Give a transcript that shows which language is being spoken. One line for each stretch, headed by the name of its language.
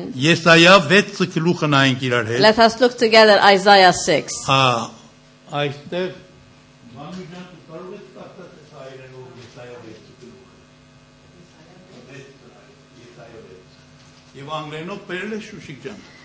Armenian: Yesaya 6 գլուխը նայենք իրար հետ.
English: Let us look together Isaiah 6.
Armenian: Ա այստեղ մանուկյանը կարող է ստացած է հայերենով Yesaya 6 գլուխը։ Yesaya 6. Եվ անգլերենով բերել է Շուշիկ ջան։